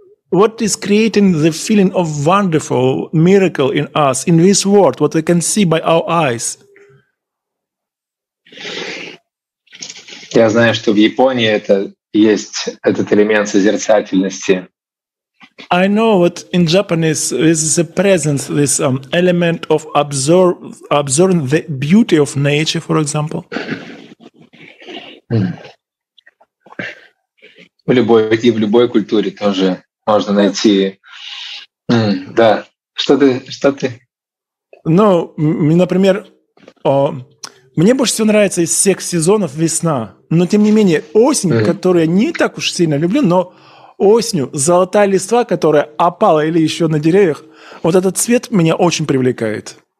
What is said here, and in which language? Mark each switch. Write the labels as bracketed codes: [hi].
[en] What is creating the feeling of wonderful miracle in us in this world? What we can see by our eyes? [ru] Я знаю, что в Японии это есть этот элемент созерцательности. [en] I know that in Japanese this is a presence, this element of observing the beauty of nature, for example. [ru] В любой культуре тоже можно найти. Да. Что ты? Ну, например, мне больше всего нравится из всех сезонов весна. Но тем не менее, осень, которую я не так уж сильно люблю, но осенью золотая листва, которая опала или еще на деревьях, вот этот цвет меня очень привлекает.